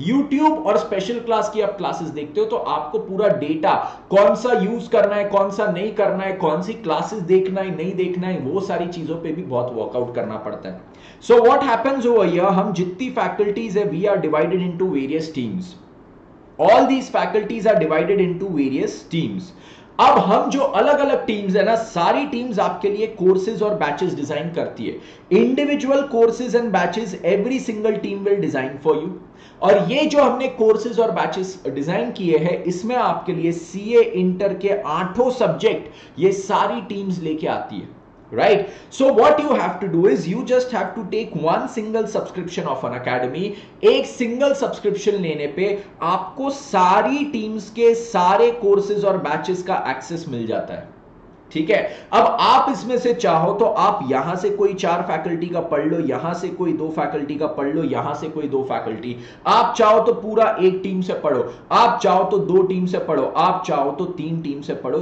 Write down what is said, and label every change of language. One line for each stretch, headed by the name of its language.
Hindi: YouTube और special class की आप क्लासेस देखते हो तो आपको पूरा डेटा, कौन सा यूज करना है, कौन सा नहीं करना है, कौन सी क्लासेस देखना है नहीं देखना है, वो सारी चीजों पर भी बहुत वर्कआउट करना पड़ता है।
English: so what happens over here,
Hindi: हम जितनी फैकल्टीज है
English: We are divided into various teams, All these faculties are divided into various teams.
Hindi: अब हम जो अलग अलग टीम्स है ना, सारी टीम्स आपके लिए courses और batches design करती है।
English: Individual courses and batches every single team will design for you.
Hindi: और ये जो हमने courses और batches design किए हैं, इसमें आपके लिए CA Inter के 8 subject ये सारी teams लेके आती है, right?
English: So what you have to do is you just have to take one single subscription of an academy.
Hindi: एक single subscription लेने पे आपको सारी teams के सारे courses और batches का access मिल जाता है, ठीक है। अब आप इसमें से चाहो तो आप यहां से कोई 4 faculty का पढ़ लो, यहां से कोई 2 faculty का पढ़ लो, यहां से कोई 2 faculty, आप चाहो तो पूरा एक टीम से पढ़ो, आप चाहो तो 2 team से पढ़ो, आप चाहो तो 3 team से पढ़ो।